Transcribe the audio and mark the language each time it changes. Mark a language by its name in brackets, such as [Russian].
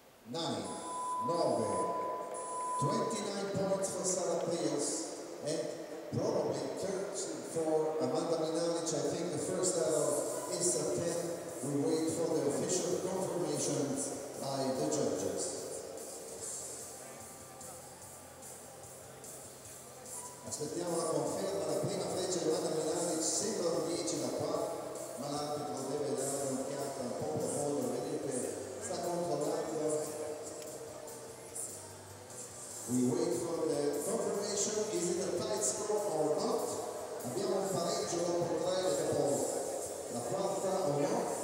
[English] 9, 9, 29 points for Sarah Prieels, and probably 13 for Amanda Mlinaric. I think the first arrow is a 10. We wait for the official confirmation by the judges. [Italian] Aspettiamo la conferma, la prima freccia di Amanda Mlinaric sembra un 10 da qua, ma l'arbitro deve dare un'occhiata un po' profonda, vedete, sta controllando. [English] We wait for the confirmation, is it a tight score or not? [Italian] Abbiamo un pareggio dopo 3 dopo la quarta o no?